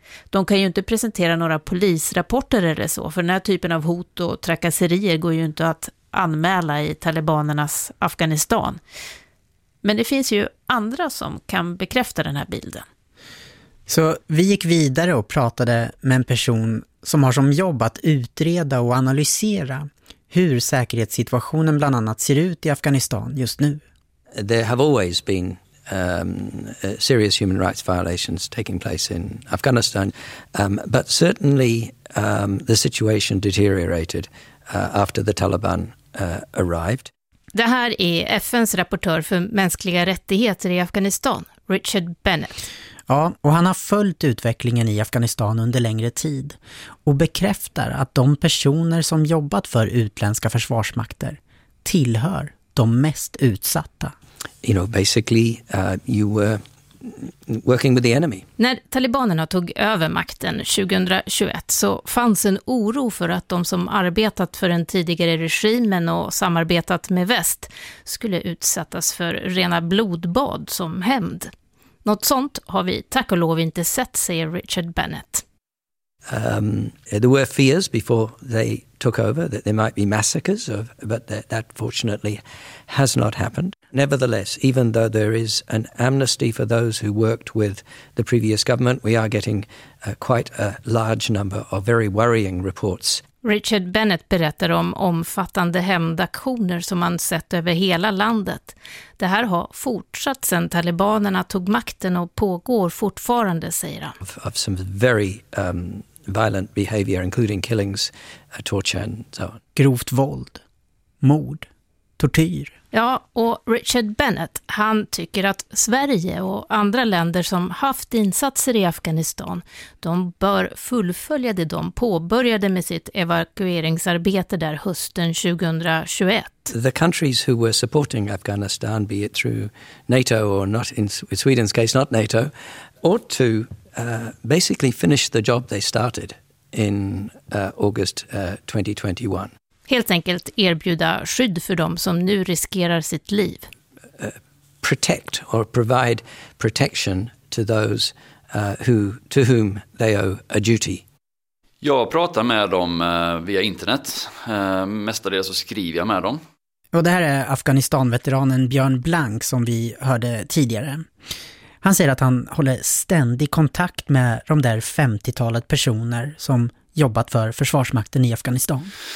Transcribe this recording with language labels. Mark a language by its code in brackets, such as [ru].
[sv] De kan ju inte presentera några polisrapporter eller så, för den här typen av hot och trakasserier går ju inte att anmäla i talibanernas Afghanistan. Men det finns ju andra som kan bekräfta den här bilden. Så vi gick vidare och pratade med en person som har som jobb att utreda och analysera hur säkerhetssituationen bland annat ser ut i Afghanistan just nu. [en] There have always been serious human rights violations taking place in Afghanistan, but certainly the situation deteriorated after the Taliban arrived. [sv] Det här är FN:s rapportör för mänskliga rättigheter i Afghanistan, Richard Bennett. Ja, och han har följt utvecklingen i Afghanistan under längre tid och bekräftar att de personer som jobbat för utländska försvarsmakter tillhör de mest utsatta. [en] You know, basically you were working with the enemy. [sv] När talibanerna tog över makten 2021 så fanns en oro för att de som arbetat för den tidigare regimen och samarbetat med väst skulle utsättas för rena blodbad som hämnd. Något sånt har vi tack och lov inte sett, säger Richard Bennett. [en] There were fears before they took over that there might be massacres, but that fortunately has not happened. Nevertheless, even though there is an amnesty for those who worked with the previous government, we are getting quite a large number of very worrying reports. [sv] Richard Bennett berättar om omfattande hämndaktioner som man sett över hela landet. Det här har fortsatt sedan talibanerna tog makten och pågår fortfarande, säger han. [en] Of some very violent behavior, including killings, torture and so on. [sv] Grovt våld, mord, tortyr. Ja, och Richard Bennett, han tycker att Sverige och andra länder som haft insatser i Afghanistan, de bör fullfölja det de påbörjade med sitt evakueringsarbete där hösten 2021. [en] The countries who were supporting Afghanistan, be it through NATO or not in Sweden's case not NATO, ought to basically finish the job they started in August 2021. [sv] Helt enkelt erbjuda skydd för dem som nu riskerar sitt liv. [en] Protect or provide protection to those to whom they owe a duty. [sv] Jag pratar med dem via internet. Mestadels så skriver jag med dem. Och det här är Afghanistan-veteranen Björn Blank som vi hörde tidigare. Han säger att han håller ständig kontakt med de där 50-talet personer som jobbat för försvarsmakten i Afghanistan.